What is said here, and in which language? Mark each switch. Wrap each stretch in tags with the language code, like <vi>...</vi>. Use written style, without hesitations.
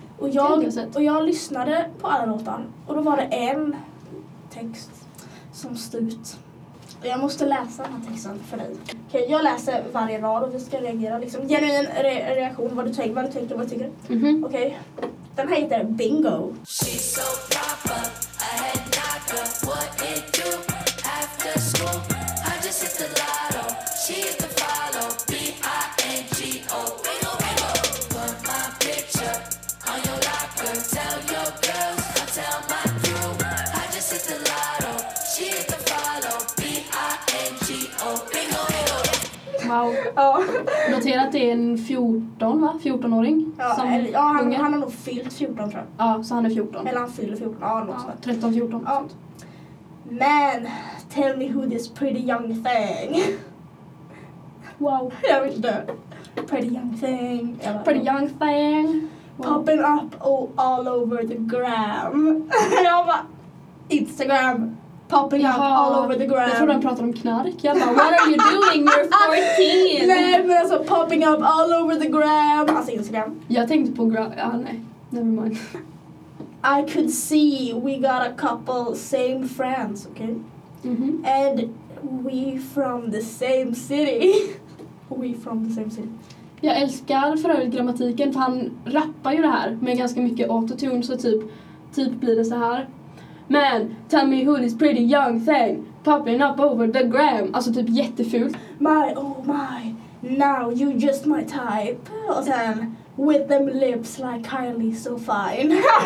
<sv>Och jag lyssnade på alla låtar. Och då var det en text som stod. Och jag måste läsa den här texten för dig. Okej, jag läser varje rad och vi ska reagera. Liksom, genuin reaktion, vad du tänker och vad du tycker. Mm-hmm. Okej. Den här heter Bingo.</sv> <en>She's so proper, I had not got what it do after school.</en> <sv>Ja. Notera att det är en 14, va? 14-åring. Ja, han har nog fyllt 14, tror jag. Ja, så han är 14. Eller han fyller 14, ja, något sånt. 13, 14. Ja.</sv> <en>Man, tell me who this pretty young thing. Wow.</en> <sv>Jag vill dö.</sv> <en>Pretty young thing. Pretty young thing. Wow. Popping up all over the gram.</en> <sv>Jag bara,</sv> <en>Instagram. Popping up all over the gram.</en> <sv>Jag tror de pratar om knark. Jag bara,</sv> <en>what are you doing? You're 14.</en> <sv>Nej, men alltså,</sv> <en>popping up all over the gram.</en> <sv>Alltså Instagram. Jag tänkte på nej.</sv> <en>Never mind. I could see we got a couple same friends, okay? Mm-hmm. And we from the same city. We from the same city.</en> <sv>Jag älskar för övrigt grammatiken, för han rappar ju det här med ganska mycket autotune, så typ blir det så här:</sv> <en>man, tell me who this pretty young thing popping up over the gram.</en> <sv>Alltså typ jättefult.</sv> <en>My oh my, now you just my type.</en> <sv>Och sen</sv> <en>with them lips like Kylie so fine.</en>